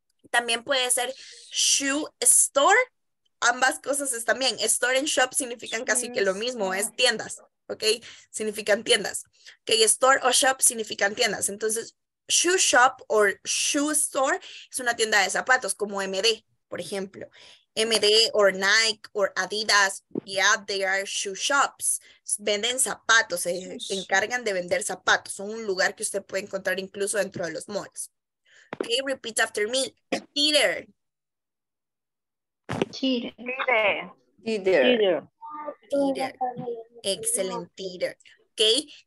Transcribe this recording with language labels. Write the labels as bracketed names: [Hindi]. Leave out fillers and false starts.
[Spanish] También puede ser [English] shoe store. [Spanish] Ambas cosas están bien. [English] Store and shop [Spanish] significan casi que lo mismo. Es tiendas. Okay? Significan tiendas. Okay, store o shop significan tiendas. Entonces, [English] shoe shop or shoe store [Spanish] es una tienda de zapatos como MD, por ejemplo. [English] MD or Nike or Adidas, yeah, they are shoe shops. [Spanish] Venden zapatos, se encargan de vender zapatos. Son un lugar que usted puede encontrar incluso dentro de los malls. [English] Okay, repeat after me. Teeter. Teeter. Okay.